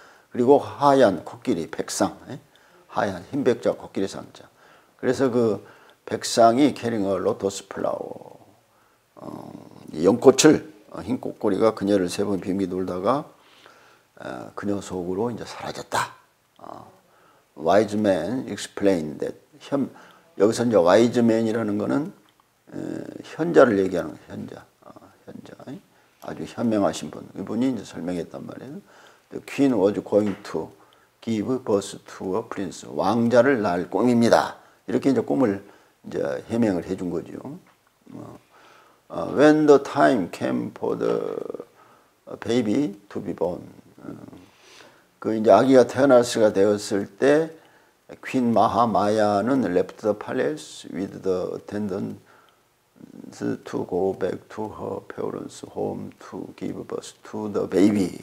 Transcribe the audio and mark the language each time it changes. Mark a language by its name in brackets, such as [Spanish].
[Korean] 그리고 하얀 코끼리 백상 하얀 흰백자 코끼리 상자 그래서 그 백상이 [English] carrying a lotus flower [Korean] 연꽃을 흰 꽃고리가 그녀를 세 번 빙비 돌다가 그녀 속으로 이제 사라졌다. [English] Wise man explained that [Korean] 여기서 이제 wise man이라는 거는 현자를 얘기하는 거예요. 현자 아주 현명하신 분 이분이 이제 설명했단 말이에요. [English] The queen was going to give birth to a prince [Korean] 왕자를 낳을 꿈입니다. 이렇게 이제 꿈을 이제 해명을 해준 거죠. [English] When the time came for the baby to be born, [Korean] 그 이제 아기가 태어날 수가 되었을 때, [English] Queen Mahamaya는 left the palace with the attendants to go back to her parents' home to give birth to the baby.